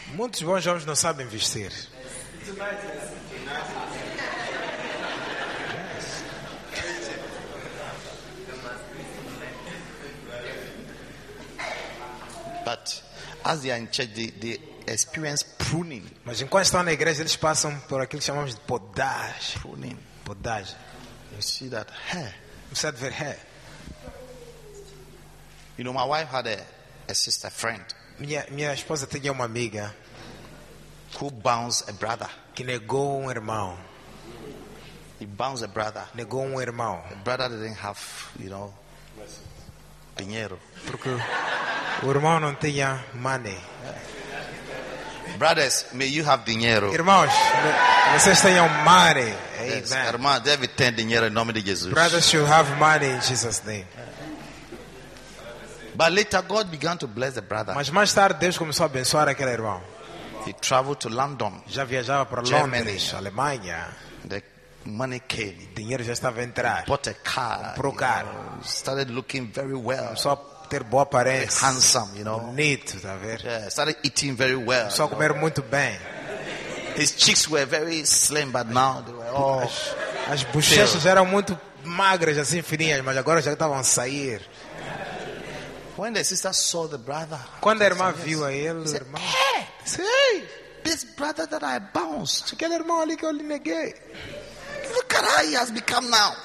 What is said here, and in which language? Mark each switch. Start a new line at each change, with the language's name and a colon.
Portuguese: Muitos bons homens não sabem vestir.
English: Yes. But as they are in church, they experience pruning.
Portuguese: Mas enquanto estão na igreja, eles passam por aquilo que chamamos de podagem.
English: Pruning.
Portuguese: Podagem.
English: You see that hair.
Portuguese: Você vê hair.
English: You know, my wife had a sister friend.
Portuguese: Minha esposa tinha uma amiga.
English: Who bounced a brother?
Portuguese: Que negou irmão.
English: He bounced a brother.
Portuguese: Negou irmão.
English: The brother didn't have, you know, dinheiro.
Portuguese: Porque o irmão não tinha money.
English: Brothers, may you have dinheiro.
Portuguese: Irmãos, vocês tenham money. Amen. Yes, irmã, deve ter dinheiro em nome de Jesus.
English: Brothers should have money in Jesus' name. But later God began to bless the brother.
Portuguese: Mas mais tarde Deus começou a abençoar aquele irmão.
English: He traveled to London.
Portuguese: Já viajava para Londres, Alemanha.
English: The money came.
Portuguese: O dinheiro já estava a entrar.
English: Bought a car.
Portuguese: Comprou carro.
English: Started looking very well.
Portuguese: Começou a ter boa aparência.
English: Very handsome, you know.
Portuguese: Bonito, tá a ver?
English: Yeah, started eating very well.
Portuguese: Começou a comer muito bem.
English: His cheeks were very slim, but now they were all.
Portuguese: As bochechas eram muito magras, assim fininhas, mas agora já estavam a sair.
English: When the sister saw the brother,
Portuguese: quando a irmã viu a ele,
English: said,
Portuguese: irmão,
English: hey, this brother that I bounced,
Portuguese: aquele irmão ali que eu lhe neguei,
English: look at how he has become now.